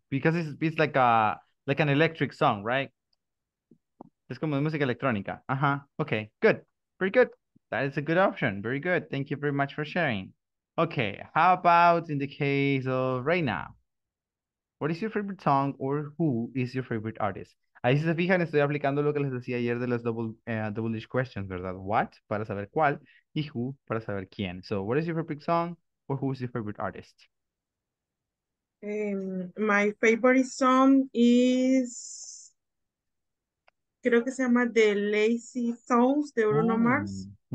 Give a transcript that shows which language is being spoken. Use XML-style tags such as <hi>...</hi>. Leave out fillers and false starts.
<en>Because it's like a like an electric song, right?</en> <es>Es como de música electrónica.</es> <en>Okay, good. Very good. That is a good option. Very good. Thank you very much for sharing. Okay, how about in the case of Reina? What is your favorite song or who is your favorite artist?</en> <es>Ahí si se fijan, estoy aplicando lo que les decía ayer de las double-ish questions, ¿verdad?</es> <en>What</en> <es>para saber cuál y</es> <en>who</en> <es>para saber quién.</es> <en>So, what is your favorite song or who is your favorite artist? My favorite song is,</en> <es>creo que se llama The Lazy Songs de Bruno Mars.</es>